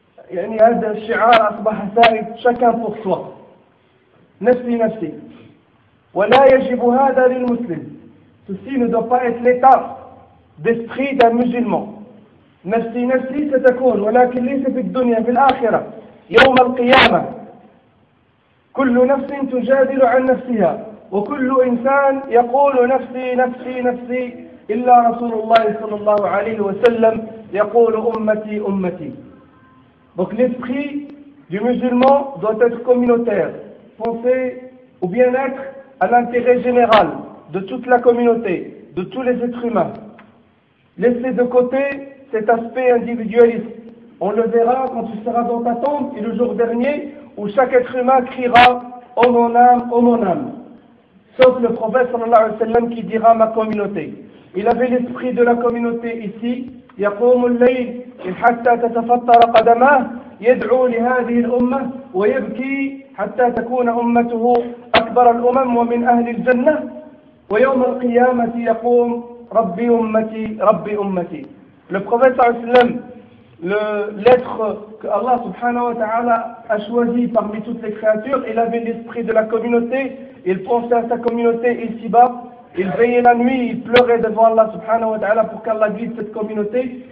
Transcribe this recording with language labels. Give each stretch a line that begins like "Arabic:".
Arabic: يعني هذا الشعار أصبح سائد شكاً فوق سوى نفسي نفسي ولا يجب هذا للمسلم.
French: Ceci ne doit pas être l'état d'esprit d'un musulman.
Arabic: نفسي نفسي ستكون ولكن ليس في الدنيا في الآخرة يوم القيامة كل نفس تجادل عن نفسها وكل إنسان يقول نفسي نفسي نفسي إلا رسول الله صلى الله عليه وسلم يقول أمتي أمتي.
French: Donc l'esprit du musulman doit être communautaire, penser au bien-être, à l'intérêt général de toute la communauté, de tous les êtres humains. Laisser de côté cet aspect individualiste. On le verra quand tu seras dans ta tombe et le jour dernier où chaque être humain criera « Oh mon âme, oh mon âme !» Sauf le prophète sallallahu alayhi wa sallam qui dira « Ma communauté !» Il avait l'esprit de la communauté ici.
Arabic: يقوم الليل حتى تتفطر قدماه يدعو لهذه الأمة ويبكي حتى تكون أمته أكبر الأمم ومن أهل الجنة ويوم القيامة يقوم ربي أمتي ربي أمتي.
French: Le prophète
Arabic: صلى الله عليه وسلم,
French: le lettre que Allah
Arabic: سبحانه وتعالى
French: a choisi parmi toutes les créatures, il avait l'esprit de la communauté, il pensait à sa communauté ici-bas. Il veillait la nuit, il pleurait devant Allah subhanahu wa ta'ala pour qu'Allah guide cette communauté.